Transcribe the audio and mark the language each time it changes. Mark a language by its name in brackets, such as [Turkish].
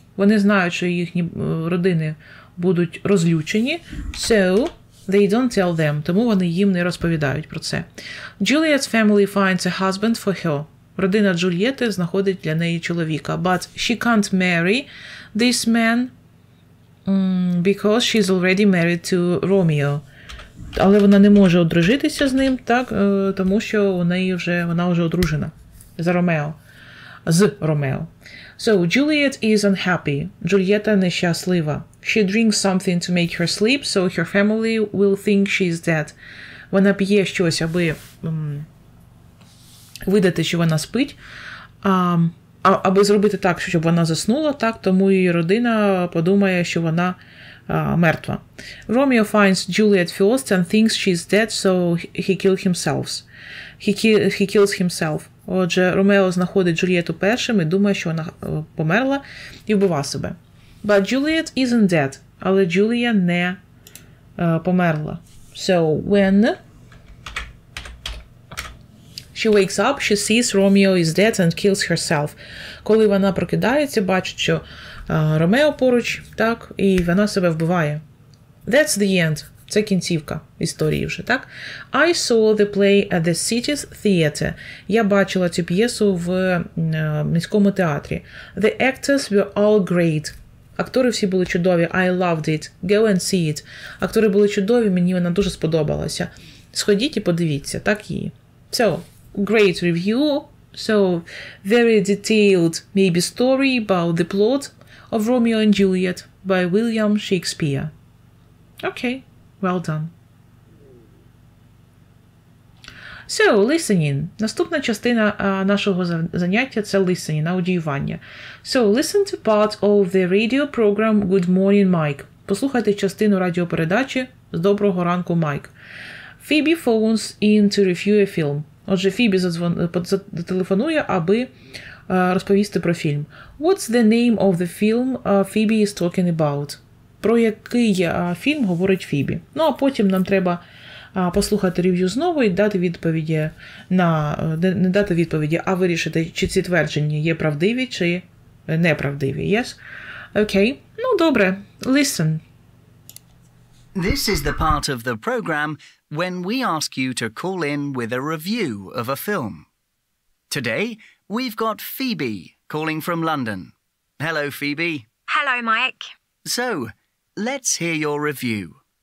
[Ukrainian] Вони знають, що їхні родини будуть розлючені. [English] So, they don't tell them. [Ukrainian] Тому вони їм не розповідають про це. [English] Juliet's family finds a husband for her. [Ukrainian] Родина Джульєти знаходить для неї чоловіка. [English] But she can't marry this man because she's already married to Romeo. [Ukrainian] Але вона не може одружитися з ним, так, тому що у неї вже, вона вже одружена з Ромео. З Ромео. [English] So, Juliet is unhappy. [Ukrainian] Джульєта нещаслива. [English] She drinks something to make her sleep, so her family will think she's dead. [Ukrainian] Вона п'є щось, аби видати, що вона спить, аби зробити так, щоб вона заснула, так, тому її родина подумає, що вона мертва. [English] Romeo finds Juliet first and thinks she's dead, so he kills himself. He kills himself. [Ukrainian] Отже, Ромео знаходить Джульєту першим і думає, що вона померла, і вбиває себе. [English] But Juliet isn't dead. [Ukrainian] Але Джулія не померла. [English] So, when she wakes up, she sees Romeo is dead and kills herself. [Ukrainian] Коли вона прокидається, бачить, що Ромео поруч, так, і вона себе вбиває. [English] That's the end. [Ukrainian] Це кінцівка історії вже, так? [English] I saw the play at the city's theater. [Ukrainian] Я бачила цю п'єсу в міському театрі. [English] The actors were all great. [Ukrainian] Актори всі були чудові. [English] I loved it. Go and see it. [Ukrainian] Актори були чудові, мені вона дуже сподобалася. Сходіть і подивіться, так її. [English] So, great review. So, very detailed maybe story about the plot of Romeo and Juliet by William Shakespeare. Okay, well done. So, listening. [Ukrainian] Наступна частина нашого заняття – це listening, аудіювання. [English] So, listen to part of the radio program Good Morning, Mike. [Ukrainian] Послухайте частину радіопередачі «З доброго ранку, Майк». [English] Phoebe phones in to review a film. [Ukrainian] Отже, Phoebe зателефонує, аби розповісти про фільм. [English] What's the name of the film Phoebe is talking about? [Ukrainian] Про який фільм говорить Phoebe? Ну, а потім нам треба послухати рев'ю знову і дати відповіді на не дати відповіді, а вирішити, чи ці твердження є правдиві чи неправдиві. [English] Yes? Okay. [Ukrainian] Ну, добре. [English] Listen. This is the part of the program when we ask you to call in with a review of a film. Today, we've got Phoebe calling from London. Hello, Phoebe. Hello, Mike. So, let's hear your review.